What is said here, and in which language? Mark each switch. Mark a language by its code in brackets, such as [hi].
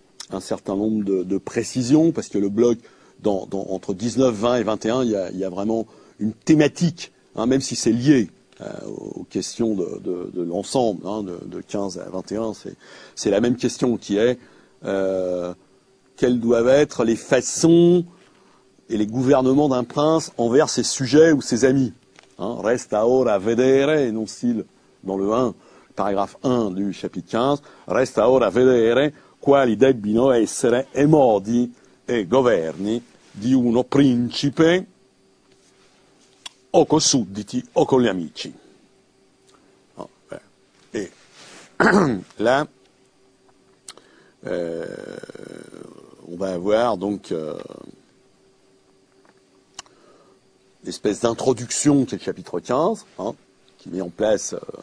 [fr] un certain nombre de précisions, parce que le bloc, entre 19, 20 et 21, il y a vraiment une thématique, hein, même si c'est lié aux questions de l'ensemble, hein, de 15 à 21, c'est la même question qui est quelles doivent être les façons et les gouvernements d'un prince envers ses sujets ou ses amis. [it] Hein, resta ora vedere, [fr] énonce-t-il dans le 1, paragraphe 1 du chapitre 15, [it] resta ora vedere quali debbino essere e modi e governi di uno principe o con sudditi o con gli amici. [fr] Oh, et là, on va avoir donc l'espèce d'introduction qui est le chapitre 15, hein, qui met en place